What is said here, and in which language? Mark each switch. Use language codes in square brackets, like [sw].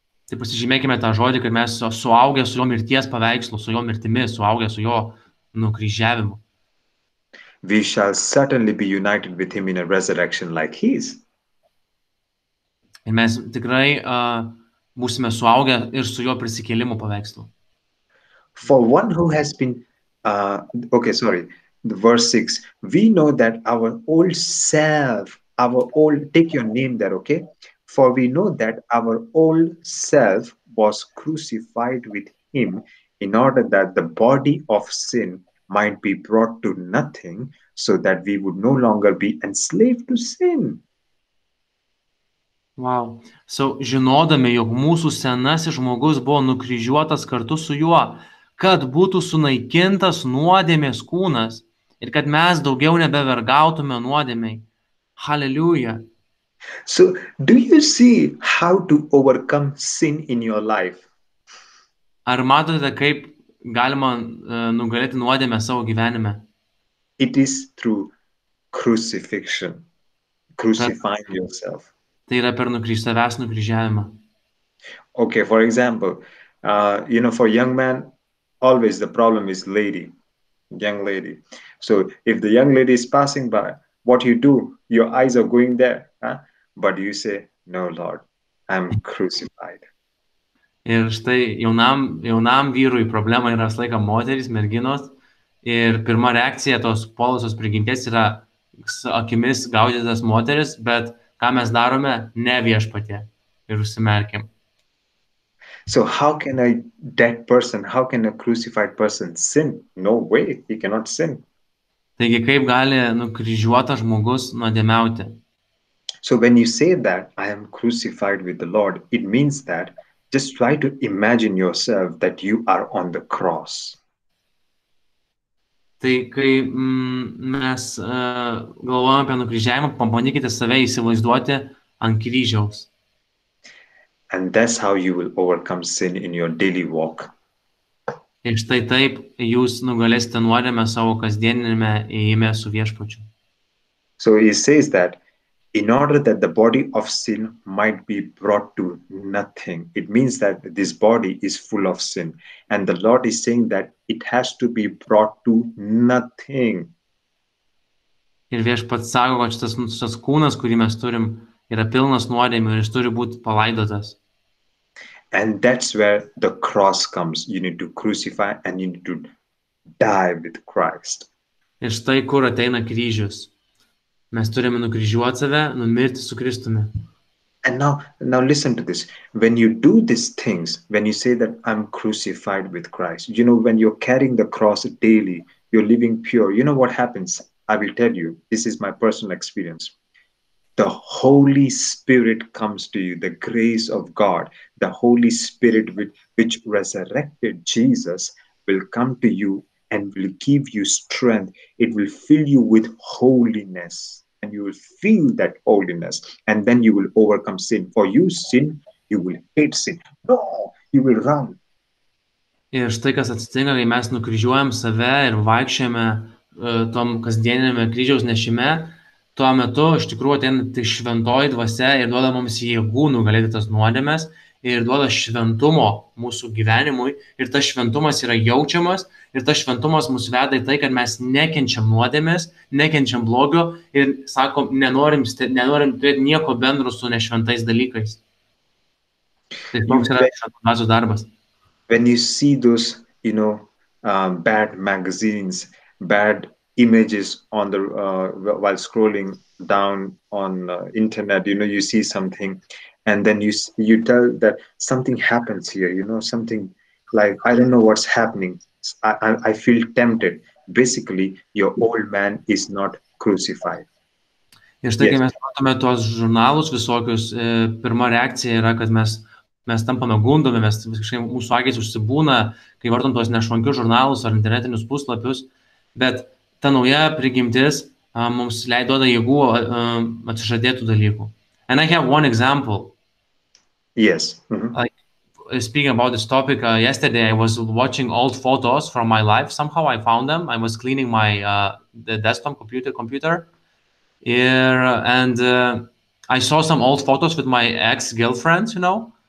[lt] Tai pasižymėkime tą žodį, kad mes suaugę su jo mirties paveikslu, su jo mirtimi, suaugę su jo nukryžiavimu. [en] We shall certainly be united with him in a resurrection like his. [lt] Ir mes tikrai būsime suaugę ir su jo prisikėlimu paveikslu. [en] For one who has been the verse 6. We know that take your name there, okay? For we know that our old self was crucified with him in order that the body of sin might be brought to nothing, so that we would no longer be enslaved to sin. Wow. [lt] So, žinodami, jog mūsų senasis žmogus buvo nukryžiuotas kartu su juo, kad būtų sunaikintas nuodėmės kūnas ir kad mes daugiau nebevergautume nuodėmei. [en] Hallelujah. So, do you see how to overcome sin in your life? [lt] Ar matote, kaip galima nugalėti nuodėmę savo gyvenime? [en] It is through crucifixion. Crucifying yourself. [lt] Tai yra per savęs nukryžiavimą. [en] Okay, for example, for young man, always the problem is lady, young lady. So if the young lady is passing by, what you do? Your eyes are going there, huh? But you say, no, Lord, I'm crucified. [lt] Ir štai jaunam vyrui problema yra visą laiką moterys, merginos. Ir pirma reakcija tos polosios prigimties yra akimis gaudytas moteris, bet ką mes darome, ne viešpatė ir užsimerkim. [en] So how can a dead person, how can a crucified person sin? No way, he cannot sin. [lt] Taigi kaip gali nukryžiuotas žmogus nuodėmiauti? [en] So when you say that I am crucified with the Lord, it means that just try to imagine yourself that you are on the cross. [lt] Tai kai mes galvojame apie nukryžiavimą, pabandykite save įsivaizduoti ant kryžiaus. [en] And that's how you will overcome sin in your daily walk. [lt] Ir štai taip jūs nugalėsite nuodėmę savo kasdieninėme ėjime su viešpačiu. [en] So he says that in order that the body of sin might be brought to nothing. It means that this body is full of sin. And the Lord is saying that it has to be brought to nothing. [lt] Ir viešpats sako, kad šitas kūnas, kurį mes turim, yra pilnas nuodėmių ir jis turi būti palaidotas. [en] And that's where the cross comes. You need to crucify and you need to die with Christ. [lt] Ir štai kur ateina kryžius. Mes turime nukryžiuoti save, numirti su Kristumi. [en] And now listen to this. When you do these things, when you say that I'm crucified with Christ, you know, when you're carrying the cross daily, you're living pure, you know what happens? I will tell you, this is my personal experience. The Holy Spirit comes to you, the grace of God, the Holy Spirit which resurrected Jesus will come to you and will give you strength. It will fill you with holiness and you will feel that holiness and then you will overcome sin. For you sin, you will hate sin. No, you will run. [lt] Ir štai kas atsitinka, kai mes nukryžiuojam save ir vaikščiame tom kasdieniniame kryžiaus nešime, tuo metu, iš tikrųjų, ten tai šventoji dvasia ir duoda mums jėgų nugalėti tas nuodėmes ir duoda šventumo mūsų gyvenimui, ir tas šventumas yra jaučiamas, ir tas šventumas mus veda į tai, kad mes nekenčiam nuodėmės, nekenčiam blogio ir sakom, nenorim turėti nieko bendro su nešventais dalykais. Tai toks yra šventumas darbas. [en] When you see those, you know, bad magazines, bad images on the while scrolling down on internet, you know, you see something, and then you tell that something happens here, you know, something like, I don't know what's happening, I feel tempted. Basically, your old man is not crucified. [lt] Ir štai, kai mes matome tuos žurnalus visokius, pirma reakcija yra, kad mes tampame gundomi, mes kažkaip mūsų akis užsibūna, kai vartom tuos nešvankius žurnalus ar internetinius puslapius, bet ta nauja prigimtis mums leido da jėgų atsižadėtų dalykų. [en] And I have one example. Yes. Mm-hmm. Like, speaking about this topic, yesterday I was watching old photos from my life. Somehow I found them. I was cleaning my the desktop computer. And I saw some old photos with my ex-girlfriends, you know.